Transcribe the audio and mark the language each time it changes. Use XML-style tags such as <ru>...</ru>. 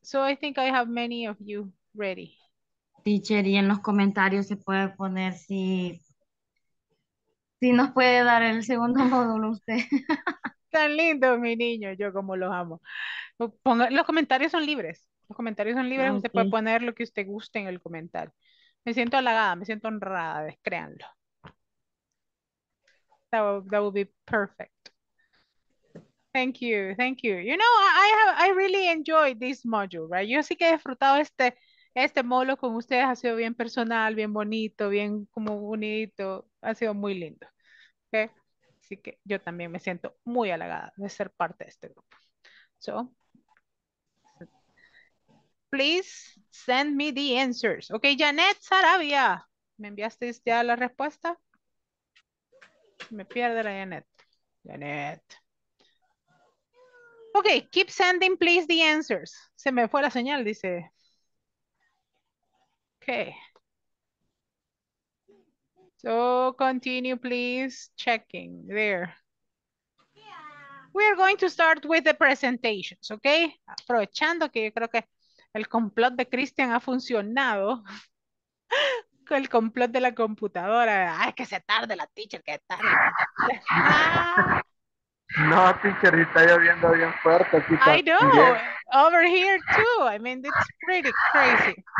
<en>So I think I have many of you ready.</en> <es>Teacher, y en los comentarios se puede poner si nos puede dar el segundo módulo usted. Tan lindo, mi niño, yo como los amo. Los comentarios son libres, okay. Usted puede poner lo que usted guste en el comentario. Me siento halagada, me siento honrada, créanlo.</es> <en>That would be perfect. Thank you. You know, I really enjoyed this module, right?</en> <es>Yo sí que he disfrutado este módulo con ustedes, ha sido bien personal, bien bonito, bien como bonito, ha sido muy lindo. Okay? Así que yo también me siento muy halagada de ser parte de este grupo.</es> <en>So, please send me the answers.</en> <es>Ok, Janet Sarabia, ¿me enviaste ya la respuesta? Me pierde la Janet. Janet.</es> <en>Ok, keep sending please the answers.</en> <es>Se me fue la señal, dice.</es> <en>Ok. So continue, please, checking there. Yeah. We are going to start with the presentations, okay?</en> <es>Aprovechando que yo creo que el complot de Cristian ha funcionado. El complot de la computadora. Ay, que se tarde la teacher, que tarde. No, teacher, está lloviendo bien fuerte. Chica.</es> <en>I know, yeah. Over here too. I mean, it's pretty crazy.</en>